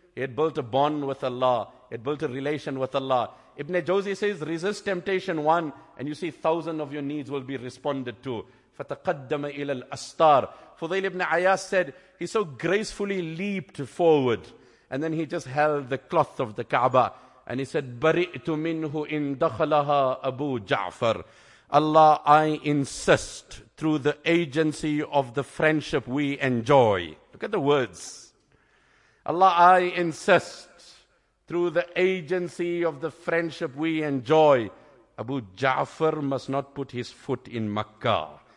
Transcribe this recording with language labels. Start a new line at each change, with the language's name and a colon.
English: He had built a bond with Allah. He had built a relation with Allah. Ibn Jawzi says, resist temptation one, and you see thousands of your needs will be responded to.
Arabic: فَتَقَدَّمَ إِلَى الْأَسْطَارِ.
English: Fudayl ibn Ayyas said, he so gracefully leaped forward, and then he just held the cloth of the Kaaba. And he said,
Arabic: بَرِئْتُ مِنْهُ إِنْ دَخَلَهَا أَبُو جَعْفَرِ.
English: Allah, I insist through the agency of the friendship we enjoy. Look at the words. Allah, I insist through the agency of the friendship we enjoy. Abu Ja'far must not put his foot in Makkah.